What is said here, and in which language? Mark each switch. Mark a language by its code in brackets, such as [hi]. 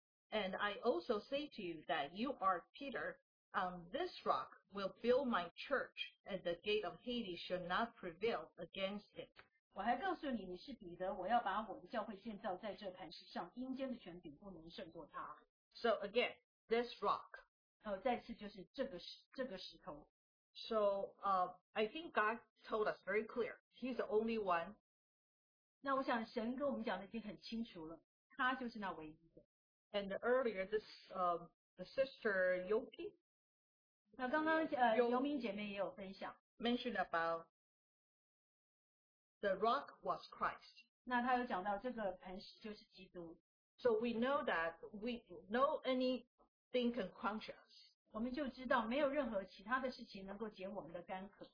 [en] And I also say to you that you are Peter, on this rock will build my church, and the gate of Hades shall not prevail against it. [zh] 我还告诉你，你是彼得，我要把我的教会建造在这磐石上，阴间的权柄不能胜过它。 [en] So again, this rock. [zh] 再次就是这个石头。 [en] So I think God told us very clear. He's the only one. [zh] 那我想神跟我们讲的已经很清楚了，他就是那唯一的。 [en] And earlier, this the sister Yomi. [zh] 那刚刚游民姐妹也有分享。 [en] Mentioned about the rock was Christ. [zh] 那他有讲到这个磐石就是基督。 [en] So we know that we know anything can crush us. [zh] 我们就知道没有任何其他的事情能够解我们的干渴。